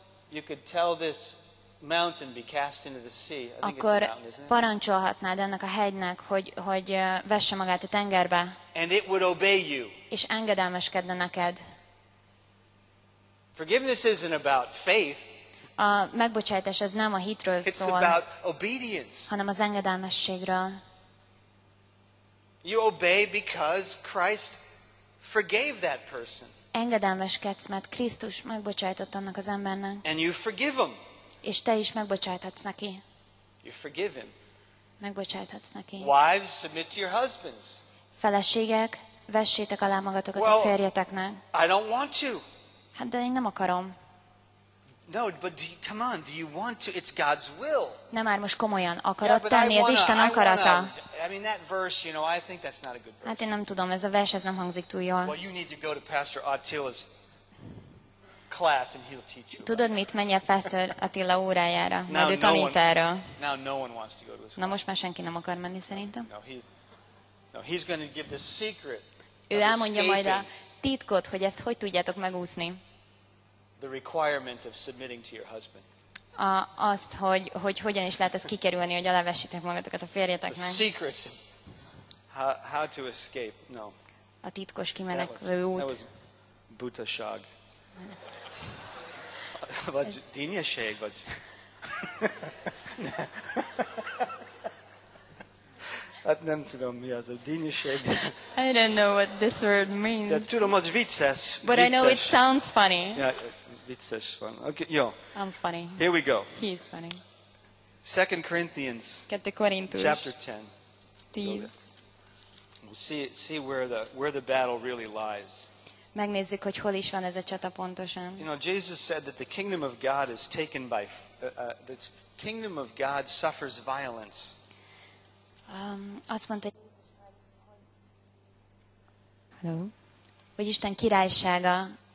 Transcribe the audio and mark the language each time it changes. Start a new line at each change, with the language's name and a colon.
English: you could tell this mountain be cast into the sea. I think
Hungarian: akkor
English: it's a mountain, isn't it?
Hungarian: Parancsolhatnád ennek a hegynek, hogy vesse magát a tengerbe.
English: And it would obey you.
Hungarian: És engedelmeskedne neked.
English: Forgiveness isn't about faith.
Hungarian: A megbocsátás ez nem a hitről szól.
English: It's about obedience.
Hungarian: Hanem az engedelmességről.
English: You obey because Christ forgave that person.
Hungarian: Engedelmeskedsz, mert Krisztus megbocsájtott annak az embernek.
English: And you forgive him.
Hungarian: És te is megbocsájthatsz neki.
English: You forgive him.
Hungarian: Megbocsájthatsz neki.
English: Wives, submit to your husbands.
Hungarian: Feleségek, vessétek alá magatokat a férjeteknek.
English: I don't want to.
Hungarian: Hát de én nem akarom.
English: No, but do you, come on, do you want to? It's God's will.
Hungarian: Nem már most komolyan akarod tenni, ez Isten akarata.
English: I mean that verse, you know, I think that's not a good verse.
Hungarian: Hát én nem tudom, ez a vers ez nem hangzik túl jól.
English: Well, you need to go to Pastor Attila's class and he'll teach you.
Hungarian: Tudod mit, menj el Pastor Attila órájára, majd ő tanít erről.
English: Now no one wants to go to his class.
Hungarian: Na most már senki nem akar menni szerintem.
English: No, he's going to give the secret.
Hungarian: Ő elmondja majd a titkot, hogy ezt hogy tudjátok megúszni.
English: The requirement of submitting to your husband.
Hungarian: Azt, hogy hogyan is lehet ez kikerülni, hogy alávessétek magatokat a férjeteknek.
English: The secrets. How to escape? No.
Hungarian: A titkos kimenekvő út.
English: That was
Hungarian: butaság. Vagy dínyeség, vagy... Hát nem tudom, mi az a dínyeség.
English: I don't know what this word means.
Hungarian: De tudom, hogy vicces.
English: But I know it sounds funny.
Hungarian: Yeah, vicces van. Okay, jó.
English: I'm funny. Here we go. He's funny. 2 Corinthians. 2 Corinthians. Chapter 10. 10. We'll see where the battle really lies.
Hungarian: Megnézzük, hogy hol is van ez a csata pontosan.
English: You know, Jesus said that the kingdom of God is taken by the kingdom of God suffers violence.
Hungarian: Azt mondta, hogy Isten királysága